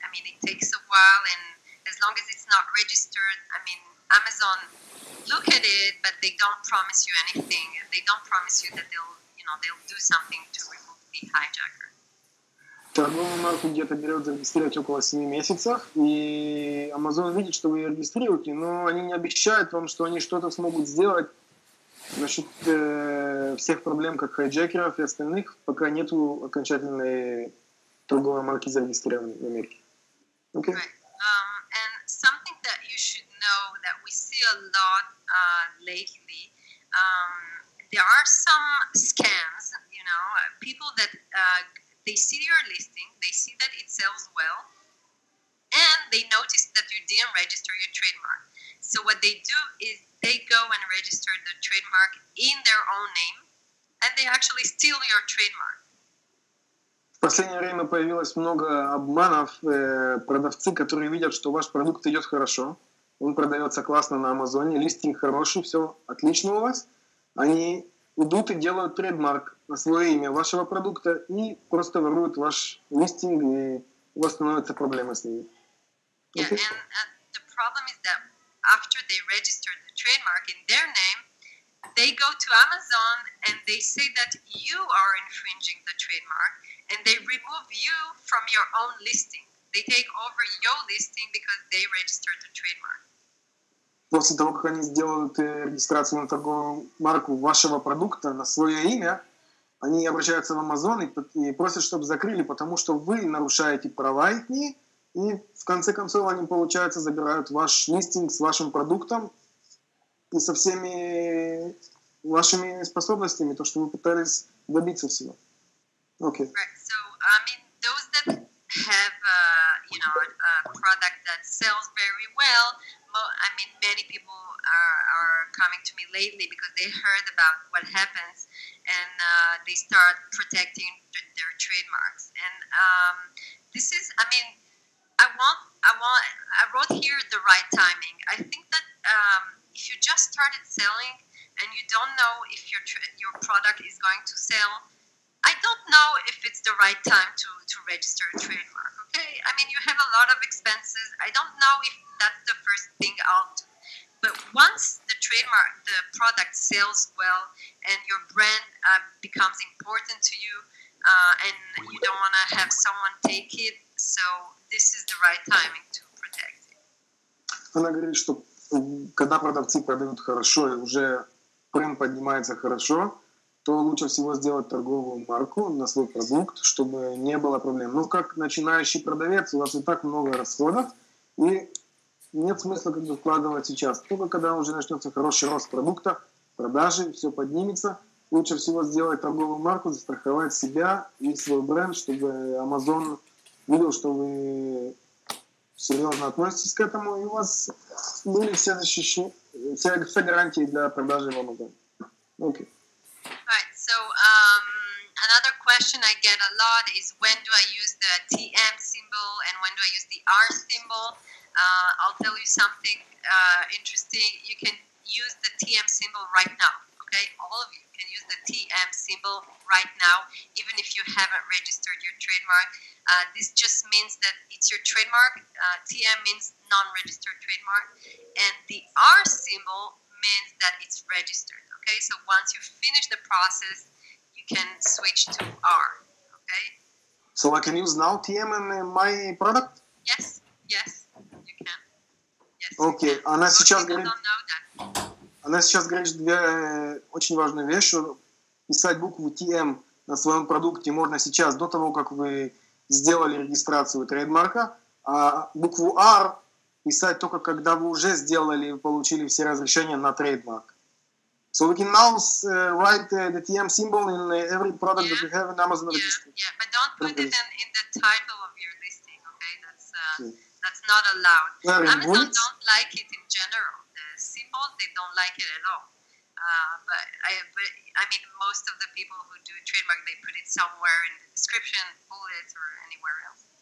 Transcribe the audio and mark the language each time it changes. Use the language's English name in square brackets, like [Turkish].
[English] It takes a while, and as long as it's not registered, I mean, Amazon look at it, but they don't promise you anything. They don't promise you that they'll do something to remove the hijacker. [Russian] Торговую марку где-то берет зарегистрировать около 7 месяцев, и Amazon видит, что вы ее регистрируете, но они не обещают вам, что они что-то смогут сделать насчет всех проблем, как хайджекеров и остальных, пока нет окончательной торговой марки зарегистрированной в Америке. [English] Okay. And something that you should know that we see a lot lately, there are some scams, you know, people that they see your listing, they see that it sells well, and they notice that you didn't register your trademark. So what they do is they go and register the trademark in their own name, and they actually steal your trademark. [Russian] В последнее время появилось много обманов. Продавцы, которые видят, что ваш продукт идет хорошо, он продается классно на Амазоне, листинг хороший, все отлично у вас, они идут и делают трейдмарк на свое имя вашего продукта и просто воруют ваш листинг, и у вас становятся проблемы с ними. [English] Yeah, And the problem is that after they register the trademark in their name, they go to Amazon and they say that you are infringing the trademark, and they remove you from your own listing. They take over your listing because they registered the trademark. [Russian] После того, как они сделают регистрацию на торговую марку вашего продукта на свое имя, они обращаются в Amazon и просят, чтобы закрыли, потому что вы нарушаете права их, и в конце концов они, получается, забирают ваш листинг с вашим продуктом и со всеми вашими способностями, то, что вы пытались добиться всего. [English] Okay. Right. So, I mean, those that have, you know, a product that sells very well, I mean, many people are coming to me lately because they heard about what happens and they start protecting their trademarks. And this is, I mean, I wrote here the right timing. I think that if you just started selling and you don't know if your product is going to sell, I don't know if it's the right time to register a trademark, okay? I mean, you have a lot of expenses. I don't know if that's the first thing I'll do. But once the trademark, the product sells well and your brand becomes important to you and you don't want to have someone take it, so this is the right timing to protect it. [Russian] Она говорит, что когда продавцы продают хорошо и уже бренд поднимается хорошо, то лучше всего сделать торговую марку на свой продукт, чтобы не было проблем. Но как начинающий продавец, у вас и так много расходов, и нет смысла как бы вкладывать сейчас. Только когда уже начнется хороший рост продукта, продажи, все поднимется, лучше всего сделать торговую марку, застраховать себя и свой бренд, чтобы Amazon видел, что вы серьезно относитесь к этому, и у вас были все защищены, все гарантии для продажи в Amazon. Окей. [English] Right, so another question I get a lot is when do I use the TM symbol and when do I use the R symbol? I'll tell you something interesting. You can use the TM symbol right now, okay? All of you can use the TM symbol right now, even if you haven't registered your trademark. This just means that it's your trademark. TM means non-registered trademark. And the R symbol means that it's registered. Okay, so once you finish the process, you can switch to R. Okay. So I can use now TM in my product? Yes, yes, you can. Yes. Okay. You can. [Russian] Она сейчас говорит. Она сейчас говорит две очень важные вещи. Писать букву TM на своем продукте можно сейчас до того, как вы сделали регистрацию трейдмарка, а букву R писать только когда вы уже сделали и получили все разрешения на трейдмарк. [English] So we can now write the TM symbol in every product that you have in Amazon Registry. Yeah, but don't put it in the title of your listing, okay? That's not allowed. Amazon don't like it in general. The symbols, they don't like it at all. But I mean, most of the people who do trademark, they put it somewhere in the description, bullets, or anywhere else.